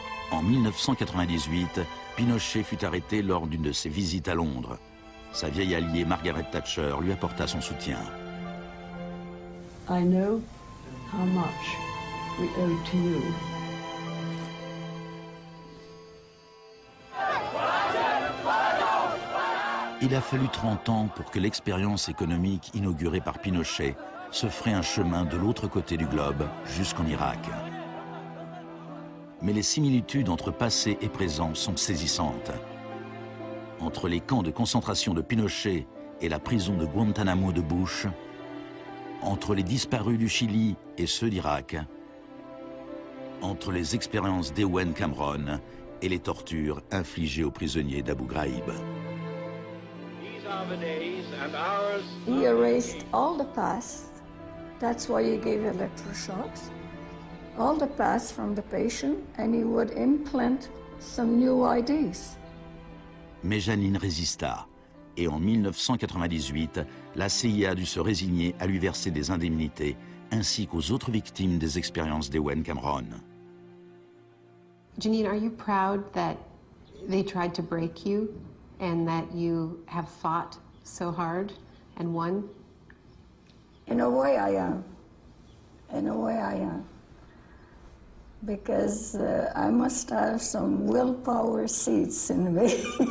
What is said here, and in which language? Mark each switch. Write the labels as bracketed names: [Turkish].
[French] En 1998, Pinochet fut arrêté lors d'une de ses visites à Londres. Sa vieille alliée Margaret Thatcher lui apporta son soutien. [English] I know how much we owe to you. [French] Il a fallu 30 ans pour que l'expérience économique inaugurée par Pinochet se fraye un chemin de l'autre côté du globe jusqu'en Irak. Mais les similitudes entre passé et présent sont saisissantes. Entre les camps de concentration de Pinochet et la prison de Guantanamo de Bush, entre les disparus du Chili et ceux d'Irak, entre les expériences d'Ewen Cameron et les tortures infligées aux prisonniers d'Abu Ghraib. [English] He erased all the past, that's why he gave electroshocks, all the past from the patient, and he would implant some new ideas. [French] Mais Janine résista, et en 1998, la CIA dut se résigner à lui verser des indemnités, ainsi qu'aux autres victimes des expériences d'Ewen Cameron. [English] Janine, are you proud that they tried to break you? And that you have fought so hard and won? In a way, I am. In a way, I am. Because I must have some willpower seeds in me.